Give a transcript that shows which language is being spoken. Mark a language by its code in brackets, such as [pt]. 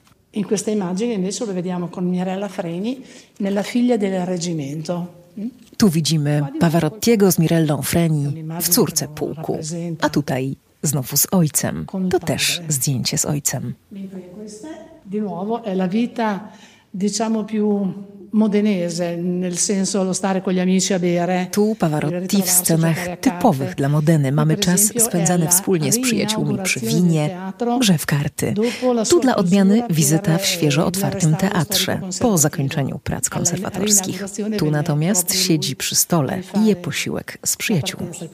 [it] In questa immagine invece lo vediamo con Mirella Freni nella figlia del reggimento. [pl] Tu widzimy Pavarottiego z Mirellą Freni w córce pułku, a tutaj znowu z ojcem. To też zdjęcie z ojcem. [it] Di nuovo è la vita, diciamo, più modenese, nel senso lo stare con gli amici a bere. [pl] Tu Pavarotti w scenach typowych dla Modeny. Mamy czas spędzany wspólnie z przyjaciółmi przy winie, grze w karty. Tu dla odmiany wizyta w świeżo otwartym teatrze, po zakończeniu prac konserwatorskich. Tu natomiast siedzi przy stole i je posiłek z przyjaciółmi.